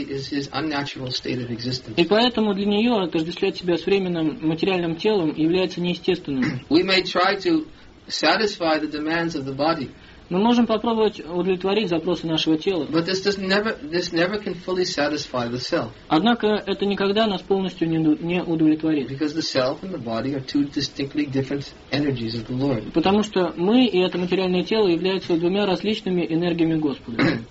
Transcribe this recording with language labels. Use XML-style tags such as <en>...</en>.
<ru>И поэтому для нее отождествлять себя с временным материальным телом является неестественным.</ru> <en>We may try to satisfy the demands of the body.</en> <ru>Мы можем попробовать удовлетворить запросы нашего тела. Однако это никогда нас полностью не удовлетворит. Потому что мы и это материальное тело являются двумя различными энергиями Господа.</ru>